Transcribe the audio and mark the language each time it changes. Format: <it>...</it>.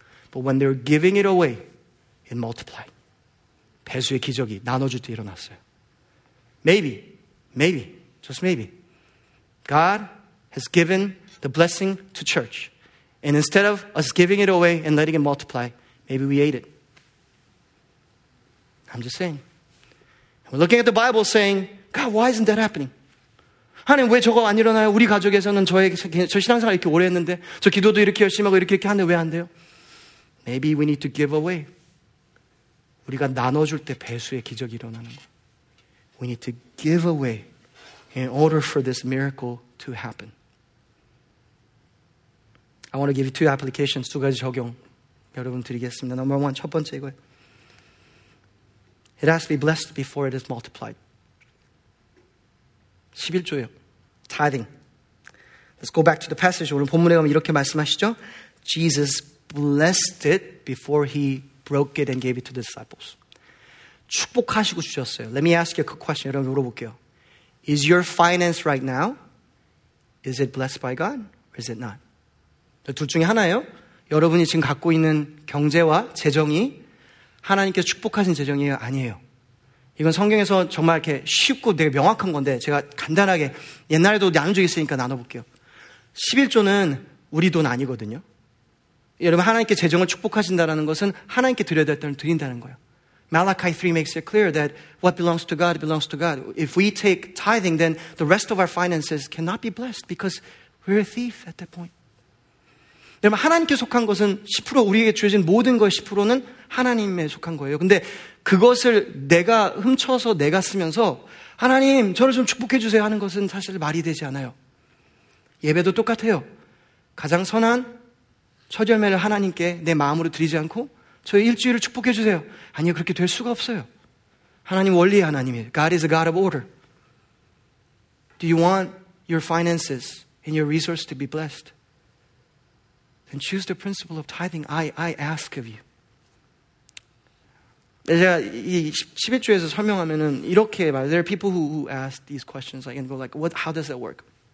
<en>But when they're giving it away, it multiplied.</en> <ko>배수의 기적이 나눠줄 때 일어났어요.</ko> <en>Maybe, just maybe, God has given the blessing to church. And instead of us giving it away and letting it multiply, maybe we ate it. I'm just saying. We're looking at the Bible saying, God, why isn't that happening?</en> <ko>하나님 왜 저거 안 일어나요? 우리 가족에서는 저 신앙생활 이렇게 오래 했는데 저 기도도 이렇게 열심히 하고 이렇게 하는데 왜 안 돼요?</ko> <en>Maybe we need to give away.</en> <ko>우리가 나눠줄 때 배수의 기적이 일어나는 거.</ko> <en>We need to give away in order for this miracle to happen. I want to give you two applications,</en> <ko>두 가지 적용 여러분 드리겠습니다.</ko> <en>Number one,</en> <ko>첫 번째 이거예요.</ko> <en>It has to be blessed before it is multiplied.</en> <ko>11조예요.</ko> <en>Tithing. Let's go back to the passage.</en> <ko>오늘 본문에 가면 이렇게 말씀하시죠.</ko> <en>Jesus blessed it before he broke it and gave it to the disciples.</en> <ko>축복하시고 주셨어요.</ko> <en>Let me ask you a quick question.</en> <ko>여러분 물어볼게요.</ko> <en>Is your finance right now, is it blessed by God or is it not?</en> <ko>둘 중에 하나예요. 여러분이 지금 갖고 있는 경제와 재정이 하나님께서 축복하신 재정이에요? 아니에요. 이건 성경에서 정말 이렇게 쉽고 되게 명확한 건데 제가 간단하게 옛날에도 나눈 적이 있으니까 나눠볼게요. 11조는 우리 돈 아니거든요. 여러분 하나님께 재정을 축복하신다는 것은 하나님께 드려야 될 돈을 드린다는 거예요.</ko> <en>Malachi 3 makes it clear that what belongs to God belongs to God. If we take tithing, then the rest of our finances cannot be blessed because we're a thief at that point.</en> <ko>여러분 하나님께 속한 것은 10% 우리에게 주어진 모든 것의 10%는 하나님에 속한 거예요. 근데 그것을 내가 훔쳐서 내가 쓰면서 하나님 저를 좀 축복해 주세요 하는 것은 사실 말이 되지 않아요. 예배도 똑같아요. 가장 선한 첫 열매를 하나님께 내 마음으로 드리지 않고 저의 일주일을 축복해 주세요. 아니요, 그렇게 될 수가 없어요. 하나님 원리의 하나님이에요.</ko> <en>God is a God of order. Do you want your finances and your resources to be blessed? Then choose the principle of tithing. I ask of you.</en> <ko>제가 이 11조에서 설명하면은 이렇게 말해요.</ko> <en>There are people who ask these questions like, and go like, what, how does that work?</en>